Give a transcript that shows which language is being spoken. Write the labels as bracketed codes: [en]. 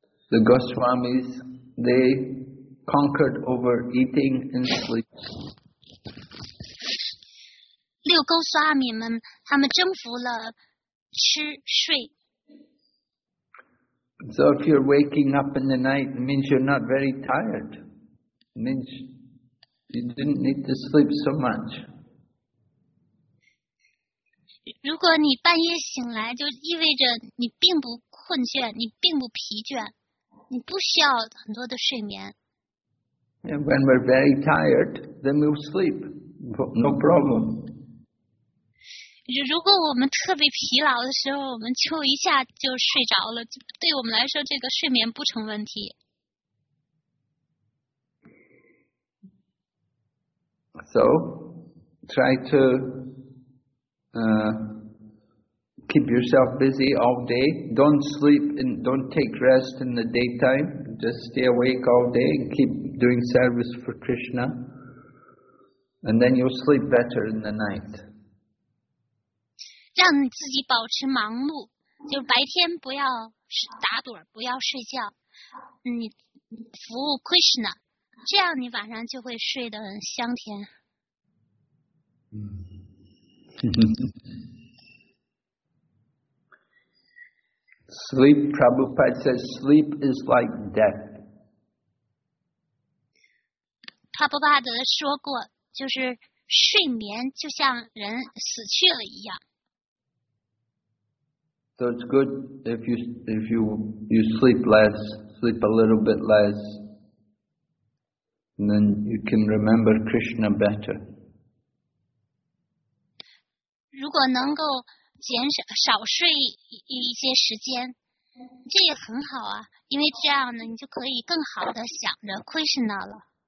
[en] The Goswamis, they conquered over eating and sleep. [zh] 六勾刷米们，他们征服了吃睡。 [en] So if you're waking up in the night, it means you're not very tired. It means you didn't need to sleep so much. [zh] 如果你半夜醒来，就意味着你并不困倦，你并不疲倦，你不需要很多的睡眠。 [en] And when we're very tired, then we'll sleep. No problem. [zh] 如果我们特别疲劳的时候，我们就一下就睡着了，对我们来说，这个睡眠不成问题。 [en] So, try to keep yourself busy all day. Don't sleep and don't take rest in the daytime. Just stay awake all day and keep doing service for Krishna. And then you'll sleep better in the night. [zh] 让你自己保持忙碌，就白天不要打盹，不要睡觉。你服务 Krishna， 这样你晚上就会睡得很香甜。 [en] Sleep, Prabhupada says, sleep is like death. [zh] Prabhupada 说过，就是睡眠就像人死去了一样。 [en] So it's good if you sleep less, sleep a little bit less, and then you can remember Krishna better. [zh] 如果能够减少睡一些时间，这也很好啊，因为这样呢，你就可以更好的想着 Krishna 了。